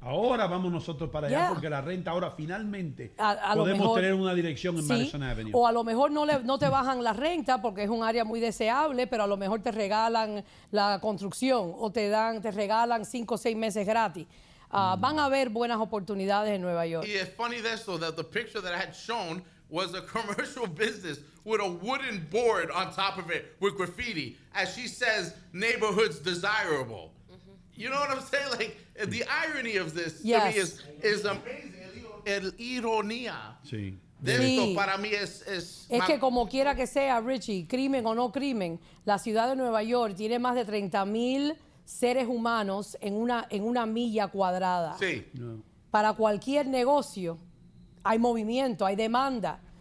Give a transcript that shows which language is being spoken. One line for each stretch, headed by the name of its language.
Spanish: Ahora vamos nosotros para allá porque la renta ahora finalmente podemos tener una dirección en Madison Avenue. O a lo mejor no te bajan la renta porque es un área muy deseable, pero a lo mejor te regalan la construcción o te regalan 5 o 6 meses gratis. Van a haber buenas oportunidades en Nueva York. Y es
English: funny this, though, that the picture that I had shown was a commercial business with a wooden board on top of it with graffiti. As she says, neighborhoods desirable. You know what I'm saying? Like, the irony of this to me is amazing.
Spanish: El ironía. Sí. De esto para mí es es que como quiera que sea, Richie, crimen o no crimen, la ciudad de Nueva York tiene más de 30,000 seres humanos en una milla cuadrada. Sí. No. Para cualquier negocio hay movimiento, hay demanda.